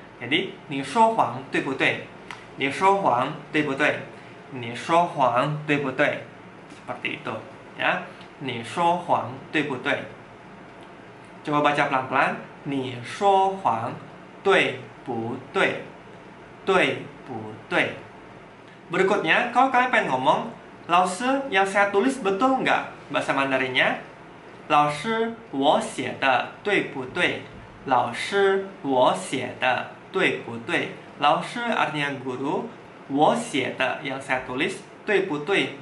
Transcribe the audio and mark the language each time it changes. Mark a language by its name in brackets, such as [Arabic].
[Chinese] Jadi， 你说谎对不对？你说谎对不对？你说谎对不对？ [Indonesian] Seperti itu ya。 [Chinese] 你说谎对不对？就我把加 plan plan， 你说谎对不对？对不对 [Indonesian] ？Berikutnya， kalau kalian pengen ngomong， 老师 yang saya tulis betul nggak？ Bahasa Mandarinnya， [Chinese] 老师我写的对不对？老师我写的对不对？ [Indonesian] 老师 artinya guru， [Chinese] 我写的 [Indonesian] yang saya tulis [Chinese] 对不对？